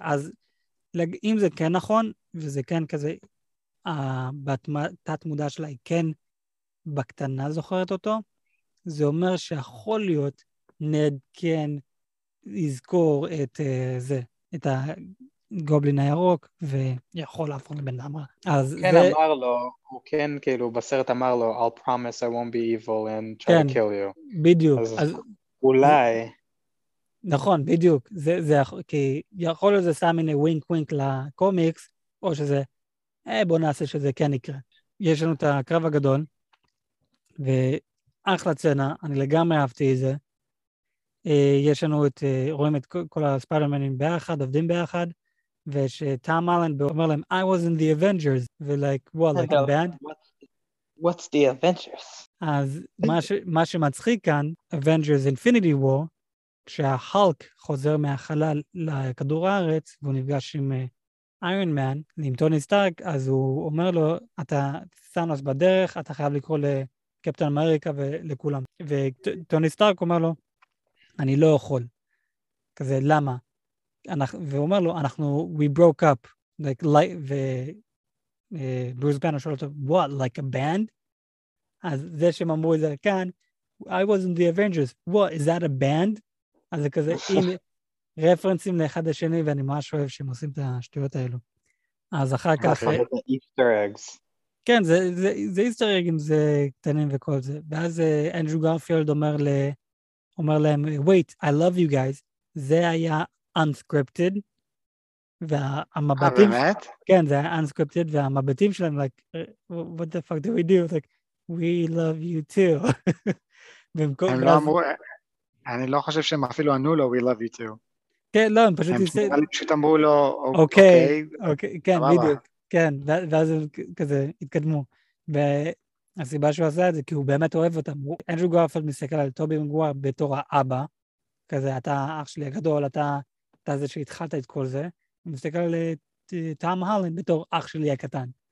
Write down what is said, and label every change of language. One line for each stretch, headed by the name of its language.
Hebrew: אז אם זה כן נכון, וזה כן כזה, בתת מודע שלה היא כן בקטנה זוכרת אותו, זה אומר שיכול להיות נד כן יזכור את זה, את הגובלין הירוק, ויכול להפוך לבן אדם רע. אז כן זה... אמר לו, הוא כן כאילו בסרט אמר לו,
English: I'll promise I won't be evil and try
Hebrew: כן, to kill you. כן, בדיוק. אז אולי... נכון, בדיוק. זה, כי יכול להיות זה שם מיני ווינק ווינק לקומיקס, או שזה, בוא נעשה שזה כן יקרה. יש לנו את הקרב הגדול, ואחלה צנה, אני לגמרי אהבתי את זה, יש לנו את, רואים את כל הספיידרמנים ביחד, עובדים ביחד, ושטום הולנד אומר להם,
English: I was in the Avengers,
Hebrew: ו-
English: like, what, like a band? What's the Avengers?
Hebrew: אז מה שמצחיק כאן, Avengers Infinity War, כשההלק חוזר מהחלל לכדור הארץ, והוא נפגש עם איירון מן, עם טוני סטארק, אז הוא אומר לו, אתה סאנוס בדרך, אתה חייב לקרוא לקפטן אמריקה ולכולם. וטוני סטארק אומר לו, אני לא יכול. כזה, למה? והוא אומר לו, אנחנו,
English: we broke up, like,
Hebrew: וברוס בנר שואל אותו,
English: what, like a band?
Hebrew: אז זה שהם אמרו את זה כאן,
English: I was in the Avengers, what, is that a band?
Hebrew: אז זה כזה, עם רפרנסים לאחד השני, ואני ממש אוהב שהם עושים את השטויות האלו. אז אחר כך...
English: Easter eggs.
Hebrew: כן, זה Easter eggs, זה קטנים וכל זה. ואז אנדרו גרפילד אומר ל... אומר להם,
English: wait, I love you guys,
Hebrew: זה היה unscripted, והמבטים... באמת? כן, זה היה unscripted, והמבטים שלהם,
English: like, what the fuck do we do? Like, we love you too.
Hebrew: והם כל... הם לא אמרו, אני לא חושב שהם אפילו ענו לו,
English: we love you too.
Hebrew: כן, לא, הם פשוט... הם פשוט אמרו לו, אוקיי, כן, בדיוק, כן, ואז הם כזה התקדמו, ו... הסיבה שהוא עשה את זה, כי הוא באמת אוהב אותם. אנדרו גרפילד מסתכל על טובי מגווייר בתור האבא, כזה, אתה אח שלי הגדול, אתה זה שהתחלת את כל זה, הוא מסתכל על טום הולנד בתור אח שלי הקטן.